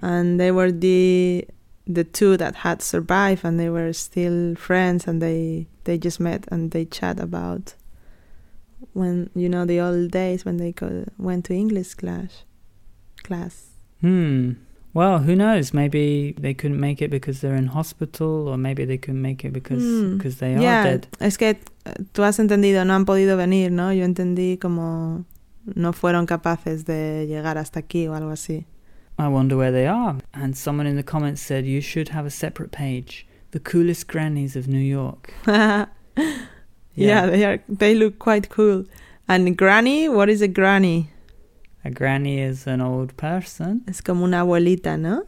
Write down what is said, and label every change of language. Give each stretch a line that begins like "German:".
English: And they were the 2 that had survived, and they were still friends, and they just met and they chat about when, you know, the old days when they went to English class. Hmm. Well, who knows? Maybe they couldn't make it because they're in hospital, or maybe they couldn't make it because they are dead.
Spanish: Yeah, es que tú has entendido, no han podido venir, ¿no? Yo entendí como no fueron capaces de llegar hasta aquí o algo así.
English: I wonder where they are. And someone in the comments said, you should have a separate page. The coolest grannies of New York. Yeah, they look quite cool. And granny, what is a granny? A granny is an old person.
Spanish: Es como una abuelita, ¿no?